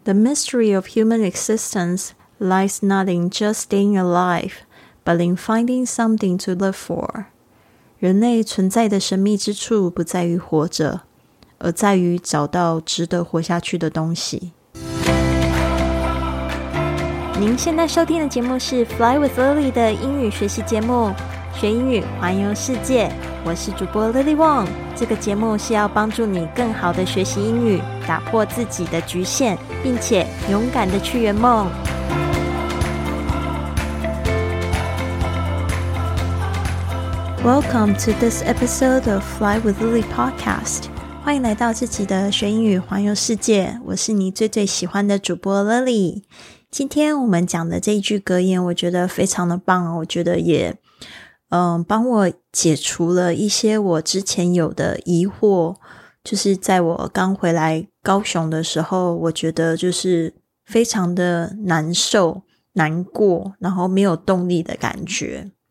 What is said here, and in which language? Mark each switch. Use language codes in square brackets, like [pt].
[en] The mystery of human existence lies not in just staying alive, but in finding something to live for. [zh] 人类存在的神秘之处不在于活着，而在于找到值得活下去的东西。您现在收听的节目是 Fly with Lily 的英语学习节目，学英语环游世界。我是主播 Lily Wong， 这个节目是要帮助你更好的学习英语，打破自己的局限，并且勇敢的去圆梦。 [en] Welcome to this episode of Fly with Lily podcast. [zh] 欢迎来到自己的学英语环游世界，我是你最最喜欢的主播 Lily。今天我们讲的这一句格言我觉得非常的棒，我觉得也帮我解除了一些我之前有的疑惑，就是在我刚回来高雄的时候，我觉得就是非常的难受难过，然后没有动力的感觉。